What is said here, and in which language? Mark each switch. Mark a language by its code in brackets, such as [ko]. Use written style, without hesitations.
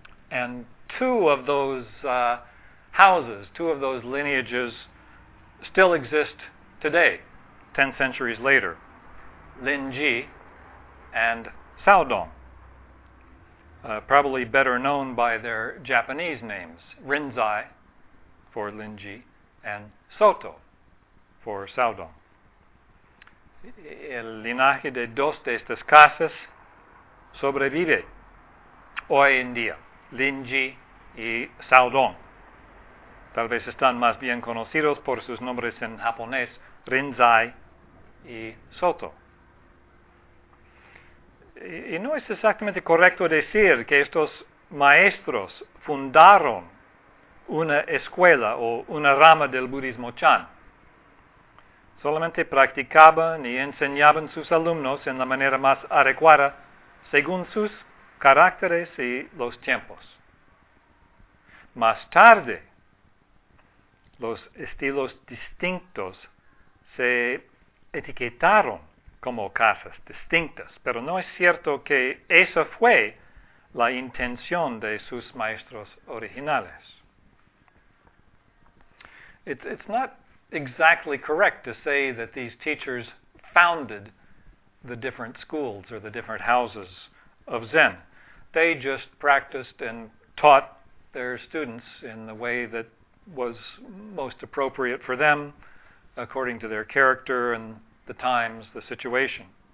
[en] And two of those houses, two of those lineages, still exist today, 10 centuries later, Linji and Saodong, probably better known by their Japanese names, Rinzai for Linji and Soto for Saodong. [es] El linaje de dos de estas casas sobrevive hoy en día, Linji y Saodong. Tal vez están más bien conocidos por sus nombres en japonés, Rinzai y Soto. Y no es exactamente correcto decir que estos maestros fundaron una escuela o una rama del budismo Chan. Solamente practicaban y enseñaban sus alumnos en la manera más adecuada según sus caracteres y los tiempos. Más tarde, los estilos distintos se etiquetaron como casas distintas, pero no es cierto que esa fue la intención de sus maestros originales. [en] It's not exactly correct to say that these teachers founded the different schools or the different houses of Zen. They just practiced and taught their students in the way that was most appropriate for them, according to their character and the times, the situation.